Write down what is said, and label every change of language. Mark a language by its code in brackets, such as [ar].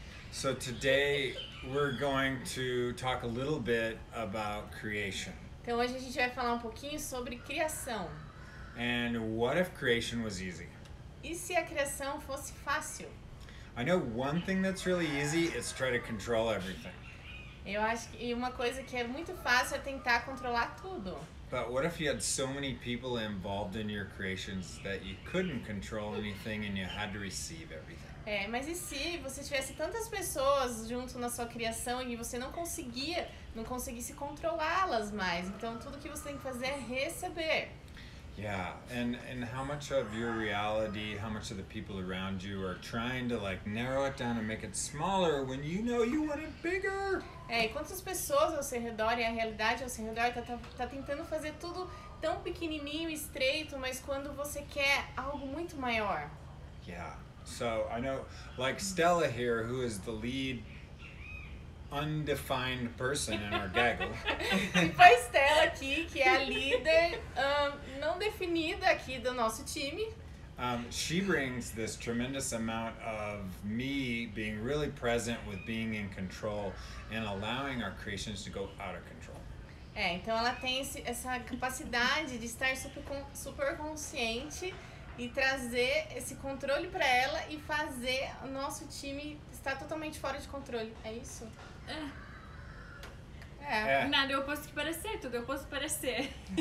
[en] So today we're going to talk a little bit about creation. [pt] Então hoje a gente vai falar um pouquinho sobre criação. [en] And what if creation was easy? [pt] E se a criação fosse fácil? [en] I know one thing that's really easy is try to control everything. [pt] Eu acho que uma coisa que é muito fácil é tentar controlar tudo. [en] But what if you had so many people involved in your creations that you couldn't control anything and you had to receive everything? [pt] É, mas e se você tivesse tantas pessoas junto na sua criação e você não conseguisse controlá-las mais? Então tudo que você tem que fazer é receber. [en] Yeah, and how much of your reality, how much of the people around you are trying to like narrow it down and make it smaller when you know you want it bigger? [pt] É, e quantas pessoas ao seu redor e a realidade ao seu redor tá tentando fazer tudo tão pequenininho, estreito, mas quando você quer algo muito maior? [en] Yeah. So, I know, like Stella here, who is the lead undefined person in our gaggle. [pt] Tipo a Stella aqui, que é a líder não definida aqui do nosso time. [en] She brings this tremendous amount of me being really present with being in control and allowing our creations to go out of control. [pt] É, então ela tem essa capacidade de estar super consciente e trazer esse controle para ela e fazer o nosso time estar totalmente fora de controle. É isso? É. Nada é o oposto que parecer, tudo é o oposto que parecer.